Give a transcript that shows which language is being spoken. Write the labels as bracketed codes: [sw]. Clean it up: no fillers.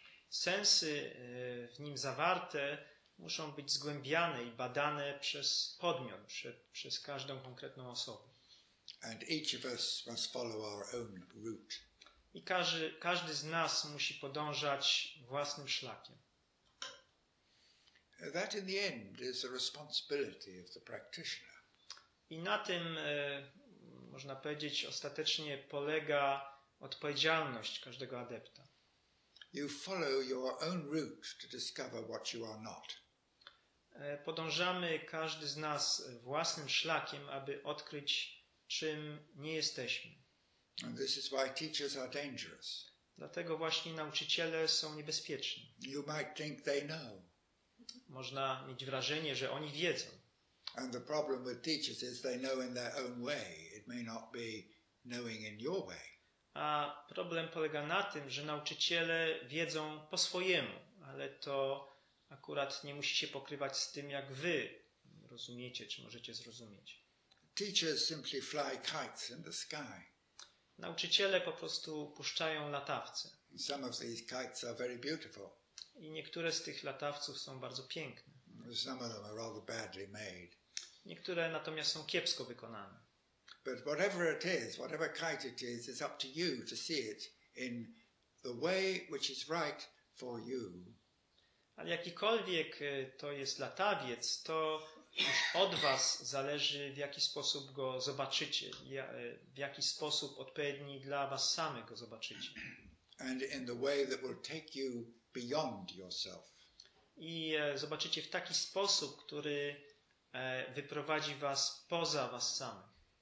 [pl] Sensy w nim zawarte muszą być zgłębiane i badane przez podmiot, przez każdą konkretną osobę. [en] And each of us must follow our own route. [pl] I każdy z nas musi podążać własnym szlakiem. [en] That in the end is the responsibility of the practitioner. [pl] I na tym, można powiedzieć, ostatecznie polega odpowiedzialność każdego adepta. [en] You follow your own route to discover what you are not. [pl] Podążamy każdy z nas własnym szlakiem, aby odkryć, czym nie jesteśmy. [en] And this is why teachers are dangerous. [pl] Dlatego właśnie nauczyciele są niebezpieczni. [en] You might think they know. [pl] Można mieć wrażenie, że oni wiedzą. [en] And the problem with teachers is they know in their own way. It may not be knowing in your way. [pl] A problem polega na tym, że nauczyciele wiedzą po swojemu, ale to akurat nie musi się pokrywać z tym, jak wy rozumiecie, czy możecie zrozumieć. [en] Teachers simply fly kites in the sky. [pl] Nauczyciele po prostu puszczają latawce. [en] Some of these kites are very beautiful. [pl] I niektóre z tych latawców są bardzo piękne. [en] Some of them are rather badly made. [pl] Niektóre natomiast są kiepsko wykonane. [en] But whatever it is, whatever kite it is, it's up to you to see it in the way which is right for you. [pl] Ale jakikolwiek to jest latawiec, to już od was zależy, w jaki sposób go zobaczycie, w jaki sposób odpowiedni dla was samych go zobaczycie. [en] And in the way that will take you beyond yourself. [pl] I zobaczycie w taki sposób, który wyprowadzi was poza was samych.